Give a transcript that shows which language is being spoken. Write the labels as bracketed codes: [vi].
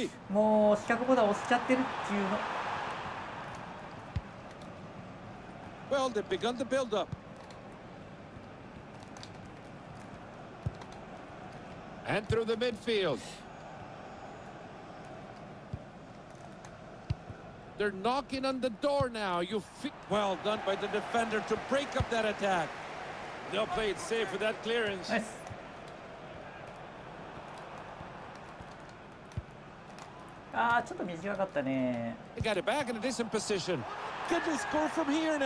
[ja] もう四角ボタン押しちゃってるっていうの。 [en] Well, they've begun to build up. And through the midfield. They're knocking on the door now. You feel well done by the defender to break up that attack. They'll play it safe with that clearance. Nice. [ja] Ah, ちょっと短かったね。 [en] They got it back in a decent position. Could they score from here now?